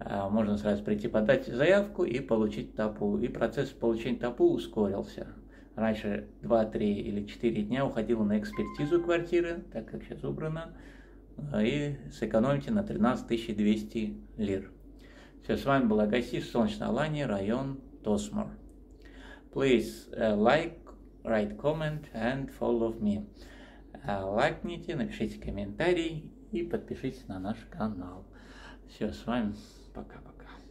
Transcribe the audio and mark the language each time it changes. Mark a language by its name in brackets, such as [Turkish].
[Russian] Можно сразу прийти подать заявку и получить ТАПУ. И процесс получения ТАПУ ускорился. Раньше 2-3 или 4 дня уходило на экспертизу квартиры, так как сейчас убрано. И сэкономите на 13 200 лир. Все, с вами был Агаси, Солнечная Алания, район Тосмор. [English] Please like, write comment and follow me. [Russian] Лайкните, напишите комментарий и подпишитесь на наш канал. Все, с вами... Пока-пока.